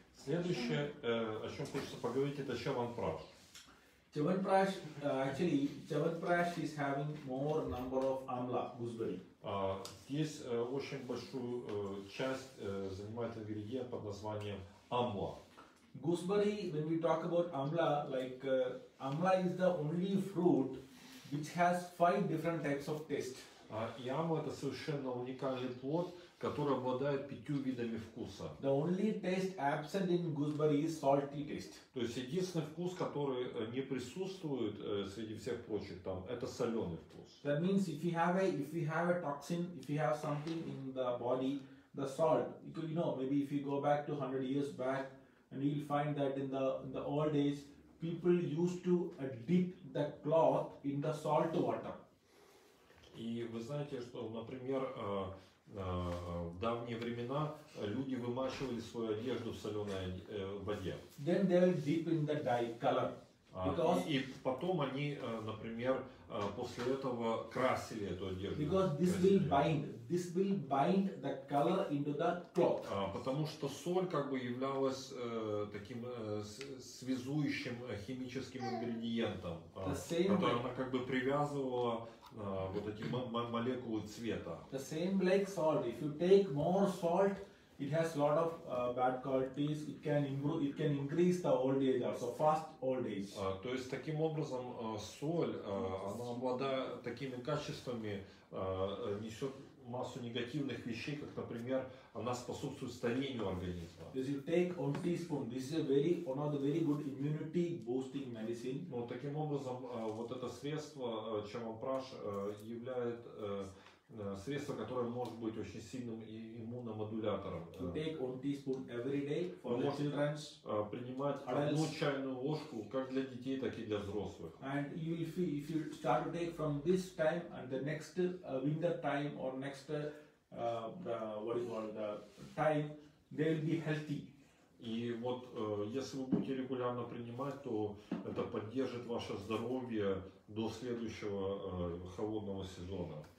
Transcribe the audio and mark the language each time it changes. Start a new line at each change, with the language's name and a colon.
Russian: Следующее, о чем хочется поговорить, это Чаванпраш.
English: Чаванпраш, actually, Чаванпраш is having more number of амла, гусбери.
Russian: Здесь очень большую часть занимает ингредиент под названием амла.
English: Gooseberry, when we talk about amla, like amla is the only fruit which has 5 different types of taste.
Russian: Яма – это совершенно уникальный плод, который обладает 5 видами вкуса.
English: The only taste absent in gooseberry is salty taste.
Russian: То есть единственный вкус, который не присутствует среди всех прочих там, это соленый вкус.
English: That means if you have a toxin, if you have something in the body, the salt, you know, maybe if you go back to 100 years back, and you'll find that in the old days, people used to dip the cloth in the salt water.
Russian: И вы знаете, что, например, в давние времена люди вымачивали свою одежду в соленой воде.
English: Then they'll dip in the dye color.
Russian: И потом они, например, после этого красили эту одежду.
English: Because this will bind the color into the cloth.
Russian: Потому что соль как бы являлась таким связующим химическим ингредиентом, который она как бы привязывала вот эти молекулы цвета.
English: The same like salt. If you take more salt, it has a lot of bad qualities. It can increase the old age, also fast old age.
Russian: То есть таким образом соль, она обладает такими качествами, несет массу негативных вещей, как, например, она способствует старению организма.
English: If you take 1 teaspoon, this is one of the very good immunity boosting medicine.
Russian: Но таким образом вот это средство, чем он праш, является средство, которое может быть очень сильным иммуномодулятором.
English: Take 1 teaspoon every day for the children.
Russian: Принимать одну чайную ложку как для детей, так и для взрослых.
English: And if you start to take from this time and the next winter time or next the time, they will be healthy.
Russian: И вот если вы будете регулярно принимать, то это поддержит ваше здоровье до следующего холодного сезона.